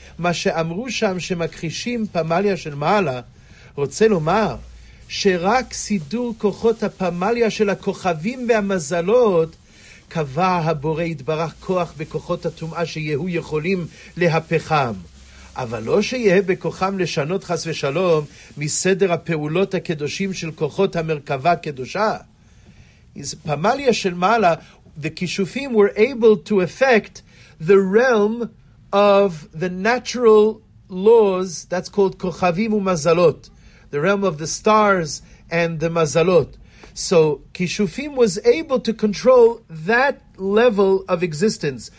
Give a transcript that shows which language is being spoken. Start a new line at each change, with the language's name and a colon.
Hebrew: Ma she'amru sham shemakhishim pamalia shel ma'ala, rotze lomar, she'rak sidur kochot ha-pamalia shel ha-kochavim ve'ha-mazalot, קבע הבורא יתברך כוח בכוחות הטומאה שיהיו יכולים להפכם. אבל לא שיהיה בכוחם לשנות חס ושלום מסדר הפעולות הקדושים של כוחות המרכבה קדושה. פמליה של מעלה,
English: the kishufim were able to affect the realm of the natural laws, that's called כוכבים ומזלות, the realm of the stars and the מזלות. So Kishufim was able to control that level of existence.